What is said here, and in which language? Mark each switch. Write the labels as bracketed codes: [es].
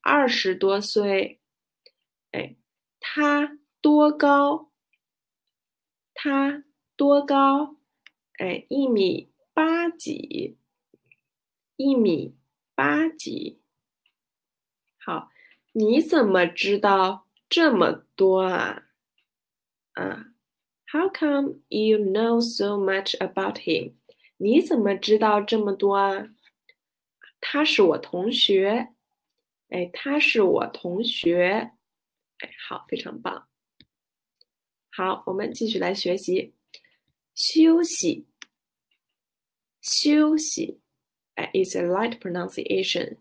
[zh] 20多岁，哎，他多高？他多高？哎，1米8几？ 1米8几？好，你怎么知道这么多啊？ [en] 啊，How come you know so much about him？ [zh] 你怎么知道这么多啊？他是我同学，哎，他是我同学，哎，好，非常棒。好，我们继续来学习。休息，休息，哎， [en] is a light pronunciation。